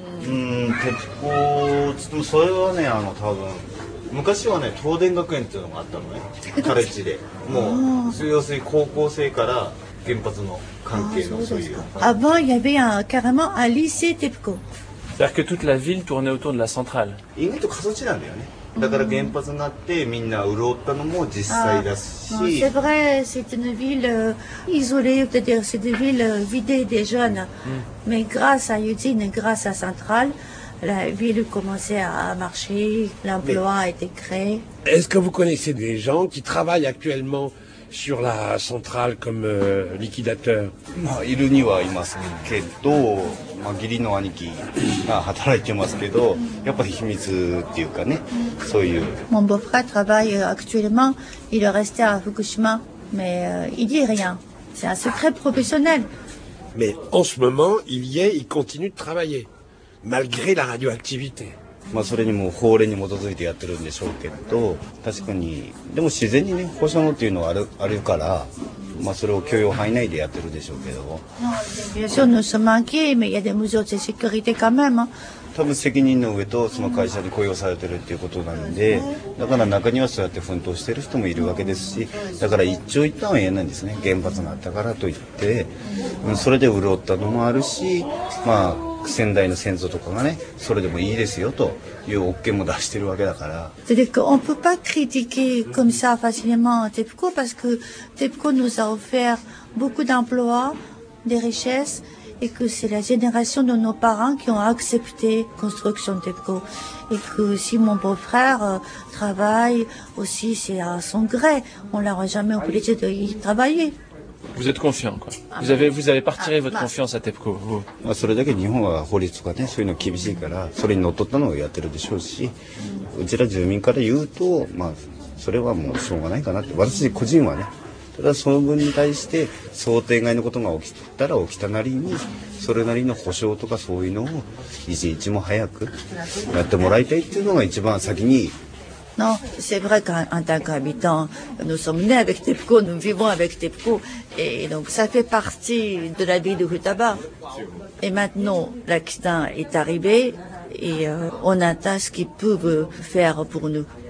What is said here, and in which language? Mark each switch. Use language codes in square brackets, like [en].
[fr] TEPCO, c'est tout ça, c'est vrai, c'est vrai, c'est vrai, c'est vrai. [ja] 昔はね、東電学園っていうのがあったのね、カレッジで。もう、要するに高校生から原発の関係のそういう。 [fr] Avant, il y avait carrément un lycée TEPCO. C'est-à-dire que toute la ville tournait autour de la centrale. [ja] 意外と過疎地なんだよね。だから原発になってみんな潤ったのも実際だし。 [fr] C'est vrai, c'est une ville isolée, c'est-à-dire c'est une ville vidée des jeunes. Mais grâce à l'usine, grâce à la centrale,La ville commençait à marcher, l'emploi a été créé. Est-ce que vous connaissez des gens qui travaillent actuellement sur la centrale comme liquidateur? Il y en a, mais mon frère qui travaille, mais il y a un secret. Mon beau-frère travaille actuellement, il est resté à Fukushima, mais il ne dit rien. C'est un secret professionnel. Mais en ce moment, il y est, il continue de travailler. malgré la radioactivité. [ja] まあそれにも法令に基づいてやってるんでしょうけど、確かにでも自然にね放射能っていうのはあるから、まあそれを許容範囲内でやってるでしょうけど。 [fr] Bien sûr, nous sommes inquiets, mais il y a des mesures de sécurité quand même. [ja] 多分責任の上とその会社に雇用されてるっていうことなんで、だから中にはそうやって奮闘してる人もいるわけですし、だから一長一短は言えないんですね。原発があったからといって、それで潤ったのもあるし、まあ。先代の先祖とかがね、それでもいいですよというオッケーも出してるわけだから。 [fr] C'est-à-dire qu'on ne peut pas critiquer comme ça facilement TEPCO parce que TEPCO nous a offert beaucoup d'emplois, des richesses et que c'est la génération de nos parents qui ont accepté construction TEPCO. Et que si mon beau-frère travaille aussi, c'est à son gré. On l'aura jamais obligé de y travailler. Vous êtes confiant, quoi. Vous avez partagé votre confiance à TEPCO, vous. [ja] Bah, それだけ日本は法律とかね、そういうの厳しいから、それに乗っ取ったのをやってるでしょうし、うちら住民から言うと、まあそれはもうしょうがないかなって。私個人はね、ただその分に対して想定外のことが起きたら起きたなりに、それなりの保証とかそういうのをいちいちも早くやってもらいたいっていうのが一番先に。 [fr] Non, c'est vrai qu'en tant qu'habitant, nous sommes nés avec TEPCO, nous vivons avec TEPCO, et donc ça fait partie de la vie de Futaba. Et maintenant, l'accident est arrivé, et on attend ce qu'ils peuvent faire pour nous.